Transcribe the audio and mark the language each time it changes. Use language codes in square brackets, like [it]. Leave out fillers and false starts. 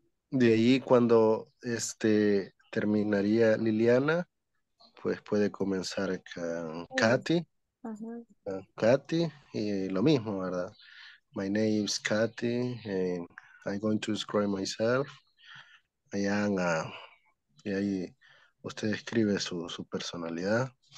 [es] De ahí cuando terminaría Liliana, pues puede comenzar con Katy. Katy, y lo mismo, ¿verdad? [en] My name is Katy, and I'm going to describe myself. I am a, [es] y ahí usted escribe su personalidad.